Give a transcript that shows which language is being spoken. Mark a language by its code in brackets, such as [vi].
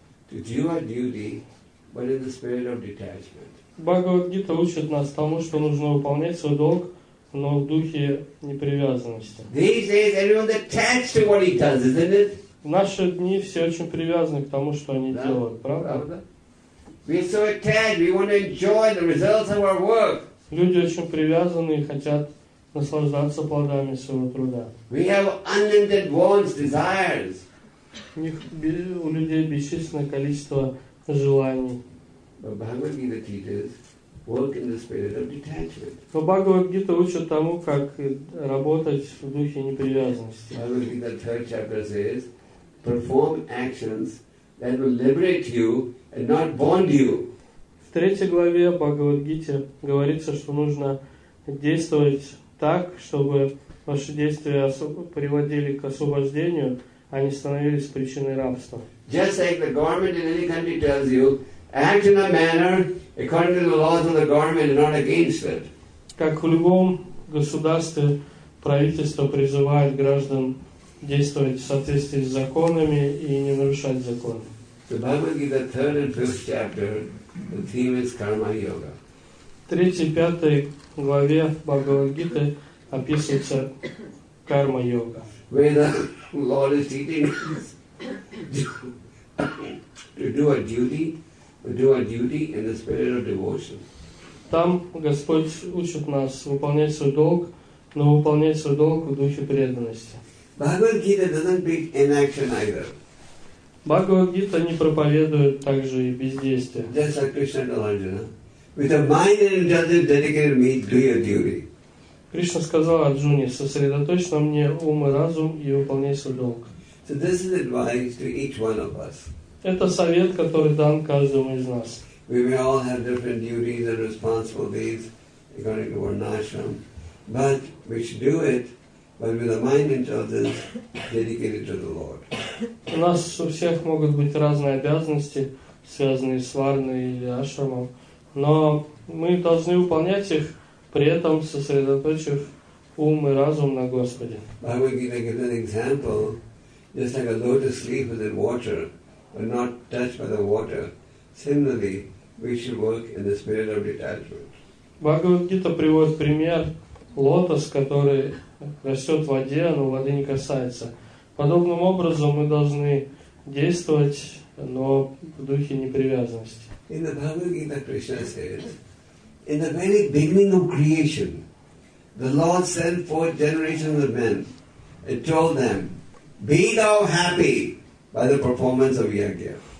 [en] To do our duty, but in the spirit of detachment. [ru] Бхагавад-гита учит нас тому, что нужно выполнять свой долг, но в духе непривязанности. [en] These days, everyone's attached to what he does, isn't it? [ru] В наши дни все очень привязаны к тому, что они делают, правда? [en] We're so attached. We want to enjoy the results of our work. [ru] Люди очень привязаны и хотят наслаждаться плодами своего труда. [en] We have unlimited wants, desires. [ru] У них, у людей, бесчисленное количество желаний. [en] But Bhagavad-gita teaches work in the spirit of detachment. [ru] Но Бхагавад-гита учит тому, как работать в духе непривязанности. [en] Bhagavad-gita third chapter says, perform actions that will liberate you and not bond you. [ru] В третьей главе Бхагавад-гите говорится, что нужно действовать так, чтобы ваши действия приводили к освобождению, а не становились причиной рабства. [en] Just like the government in any country tells you, act in a manner according to the laws of the government and not against it. [ru] Как в любом государстве правительство призывает граждан действовать в соответствии с законами и не нарушать законы. [en] The Bhagavad Gita, third and fifth chapter, the theme is karma yoga. [ru] Третья, пятая главе Бхагавад Гиты описывается карма йога. [en] Where the Lord is teaching us to do our duty in the spirit of devotion. [ru] Там Господь учит нас выполнять свой долг, но выполнять свой долг в духе преданности. [en] Bhagavad Gita doesn't preach inaction either. [ru] Bhagavad Gita не проповедует также и бездействие. [en] Just like Krishna told Arjuna, with a mind and intelligence dedicated to me, do your duty. [ru] Кришна сказал Арджуне: сосредоточь на мне ум и разум и выполняй свой долг. [en] So this is advice to each one of us. [ru] Это совет, который дан каждому из нас. [en] We may all have different duties and responsibilities according to our ashram, but we should do it but with a mind and intelligence dedicated to the Lord. [ru] У нас у всех могут быть разные обязанности, связанные с варной или ашрамом, но мы должны выполнять их, при этом сосредоточив ум и разум на Господе. [en] I will give you an example, just like a lotus sleep with the water, but not touched by the water. Similarly, we should work in the spirit of detachment. [ru] Бхагавад-гита приводит пример лотос, который растет в воде, но воды не касается. Подобным образом мы должны действовать, но в духе непривязанности. [en] In the Bhagavad-gita, Krishna says, in the very beginning of creation, the Lord sent forth generations of men and told them, be thou happy by the performance of yajna.